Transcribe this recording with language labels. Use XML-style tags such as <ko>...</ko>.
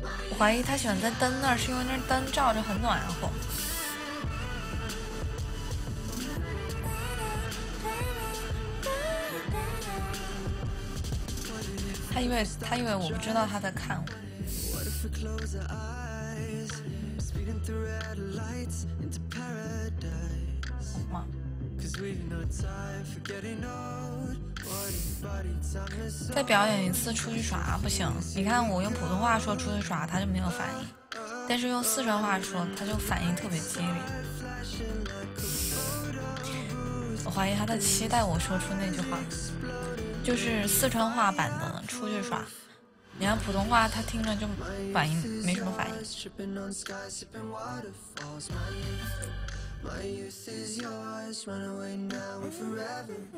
<zh>我怀疑他喜欢在灯那儿，是因为那灯照着很暖和。他以为我不知道他在看我。</zh> <en>to close our eyes. Speeding through red lights into paradise. Cause we've no time for getting old.</en> <zh>再表演一次出去耍不行，你看我用普通话说出去耍他就没有反应，但是用四川话说他就反应特别激烈。我怀疑他在期待我说出那句话，就是四川话版的出去耍。你看普通话他听着就反应没什么反应。</zh> <en>My youth is yours, run away now and forever.</en>